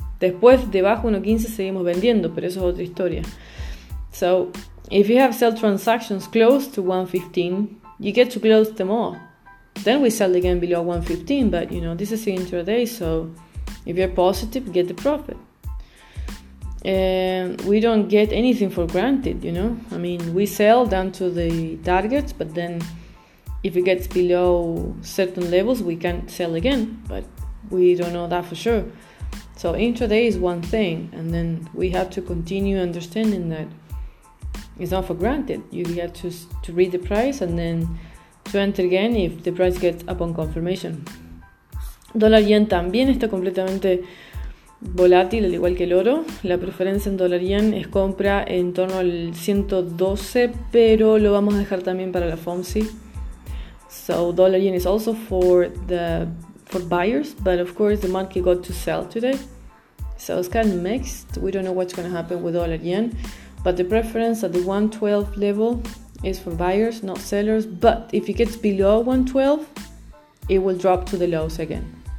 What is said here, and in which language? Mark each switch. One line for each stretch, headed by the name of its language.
Spanish: Después, debajo de 1.15 seguimos vendiendo, pero eso es otra historia.
English: So, if you have sell transactions close to 1.15, you get to close them all. Then we sell again below 1.15, but you know, this is the intraday, so if you're positive, get the profit. We don't get anything for granted, you know. I mean, we sell down to the targets, but then if it gets below certain levels, we can't sell again, but we don't know that for sure. So intraday is one thing, and then we have to continue understanding that it's not for granted. You have to read the price and then to enter again if the price gets upon confirmation.
Spanish: Dólar yen también está completamente volátil, al igual que el oro. La preferencia en dólar yen es compra en torno al 112, pero lo vamos a dejar también para la FOMC.
English: So dollar yen is also for buyers, but of course the market got to sell today, so it's kind of mixed. We don't know what's going to happen with dollar yen, but the preference at the 112 level is for buyers, not sellers. But if it gets below 112, it will drop to the lows again.